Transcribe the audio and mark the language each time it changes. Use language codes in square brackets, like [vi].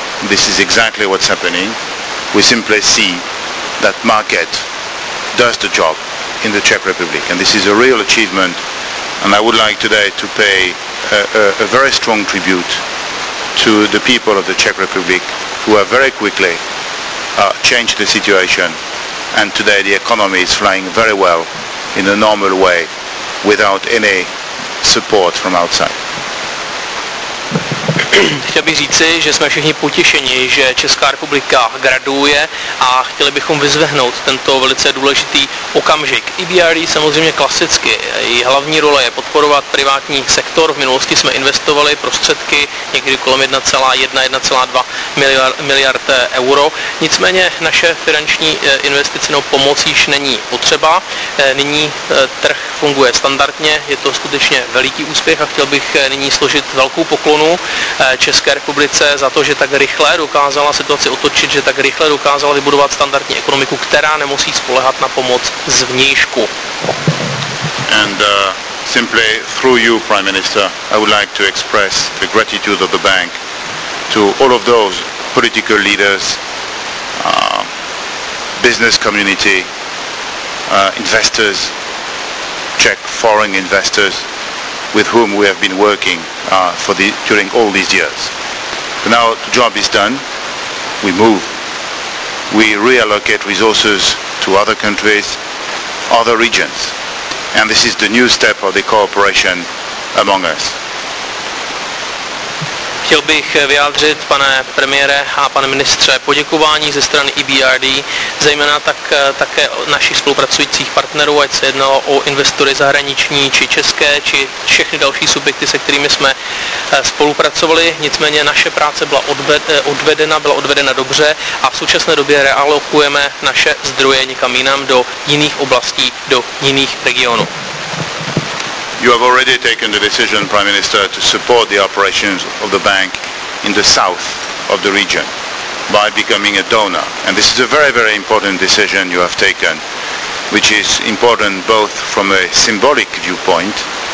[en] This is exactly what's happening. We simply see that market does the job in the Czech Republic, and this is a real achievement, and I would like today to pay a very strong tribute to the people of the Czech Republic who have very quickly changed the situation, and today the economy is flying very well in a normal way without any support from outside. [cs] Chtěl bych říci, že jsme všichni potěšeni, že Česká republika graduje a chtěli bychom vyzvehnout tento velice důležitý okamžik. EBRD samozřejmě klasicky, její hlavní role je podporovat privátní sektor. V minulosti jsme investovali prostředky někdy kolem 1,1–1,2 miliard euro. Nicméně naše finanční investice nebo pomoc již není potřeba. Nyní trh funguje standardně, je to skutečně veliký úspěch a chtěl bych nyní složit velkou poklonu České republice za to, že tak rychle dokázala situaci otočit, že tak rychle dokázala vybudovat standardní ekonomiku, která nemusí spolehat na pomoc zvnějšku. [en] And simply through you, Prime Minister, I would like to express the gratitude of the bank to all of those political leaders, business community, investors, Czech foreign investors. with whom we have been working during all these years. But now the job is done. We move. We reallocate resources to other countries, other regions. And this is the new step of the cooperation among us. [cs] Chtěl bych vyjádřit, pane premiére a pane ministře, poděkování ze strany EBRD, zejména také našich spolupracujících partnerů, ať se jednalo o investory zahraniční, či české, či všechny další subjekty, se kterými jsme spolupracovali. Nicméně naše práce byla odvedena dobře a v současné době realokujeme naše zdroje někam jinam do jiných oblastí, do jiných regionů. [en] You have already taken the decision, Prime Minister, to support the operations of the bank in the south of the region by becoming a donor. And this is a very, very important decision you have taken, which is important both from a symbolic viewpoint.